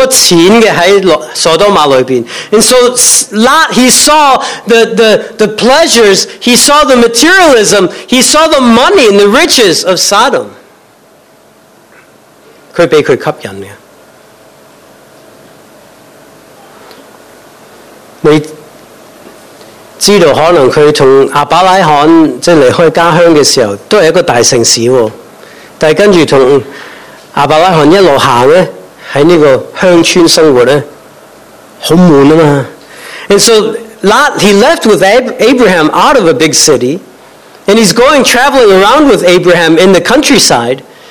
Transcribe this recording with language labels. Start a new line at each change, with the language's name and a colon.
Cantonese: 罗德系见到嗰啲嘅物质生活嘅享受生活嘅，佢见到好多钱嘅喺所多玛里边。
English: And so Lot, he saw the pleasures, he saw the materialism, he saw the money and the riches of Sodom.
Cantonese: 佢被佢吸引嘅。知道可能佢同阿伯拉罕即系离开家乡嘅时候，都系一个大城市，但系跟住同阿伯拉罕一路行咧，喺呢个乡村生活咧，好闷啊嘛。
English: And so Lot, he left with Abraham out of a big city, and he's going traveling around with Abraham in the countryside.